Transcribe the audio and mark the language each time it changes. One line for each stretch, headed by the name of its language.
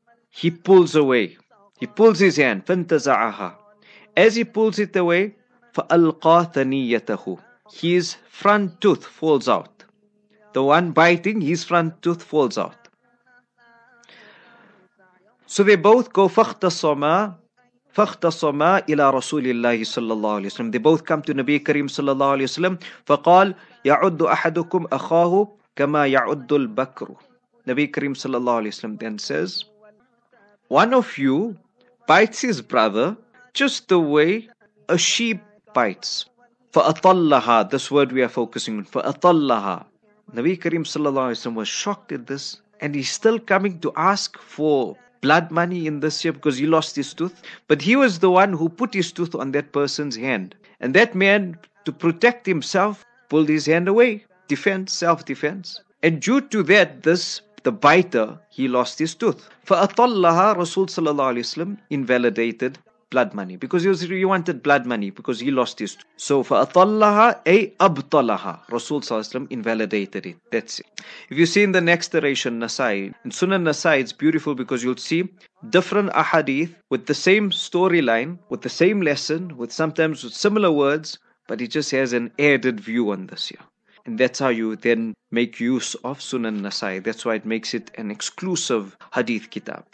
English: he pulls away. He pulls his hand.
Arabic: فَانْتَزَعَهَا.
English: As he pulls it away,
Arabic: فَأَلْقَى ثَنِيَّتَهُ.
English: His front tooth falls out. The one biting, his front tooth falls out. So they both go,
Arabic: فَاخْتَصَمَا إِلَىٰ رَسُولِ اللَّهِ صَلَّى اللَّهُ عَلَيْهِ وَسَلَّمَ.
English: They both come to Nabi Kareem صلى الله عليه وسلم.
Arabic: فَقَالْ يَعُدُّ أَحَدُكُمْ أَخَاهُ كَمَا يَعُدُّ الْبَكْرُ.
English: Nabi Kareem صلى الله عليه وسلم then says, one of you bites his brother just the way a sheep bites.
Arabic: فَأَطَلَّهَا.
English: This word we are focusing on.
Arabic: فَأَطَلَّهَا.
English: Nabi Kareem صلى الله عليه وسلم was shocked at this. And he's still coming to ask for blood money in this year because he lost his tooth. But he was the one who put his tooth on that person's hand. And that man, to protect himself, pulled his hand away. Defense, self-defense. And due to that, the biter, he lost his tooth.
Arabic: فَأَطَلَّهَا.
English: Rasul sallallahu alayhi wa sallam invalidated blood money. Because he wanted blood money because he lost his tooth. So
Arabic: فَأَطَلَّهَا أي أَبْطَلَهَا.
English: Rasul sallallahu alayhi wa sallam invalidated it. That's it. If you see in the next narration, Nasai, in Sunan Nasai, it's beautiful because you'll see different ahadith with the same storyline, with the same lesson, with sometimes with similar words, but it just has an added view on this here. And that's how you then make use of Sunan Nasai. That's why it makes it an exclusive hadith kitab.